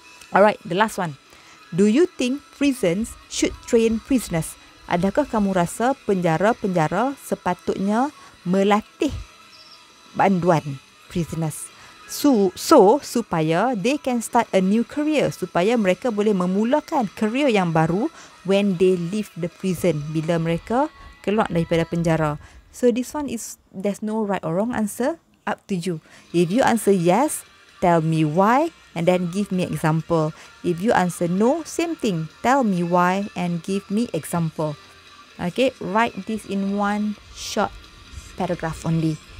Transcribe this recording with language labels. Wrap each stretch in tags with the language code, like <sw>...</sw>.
<en>Alright, the last one. Do you think prisons should train prisoners?</en> <ms>Adakah kamu rasa penjara-penjara sepatutnya melatih banduan prisoners?</ms> <en>So supaya they can start a new career.</en> <ms>Supaya mereka boleh memulakan career yang baru</ms> <en>when they leave the prison.</en> <ms>Bila mereka keluar daripada penjara.</ms> <en>So this one is, there's no right or wrong answer. Up to you. If you answer yes, tell me why and then give me example. If you answer no, same thing. Tell me why and give me example. Okay, write this in one short paragraph only.</en>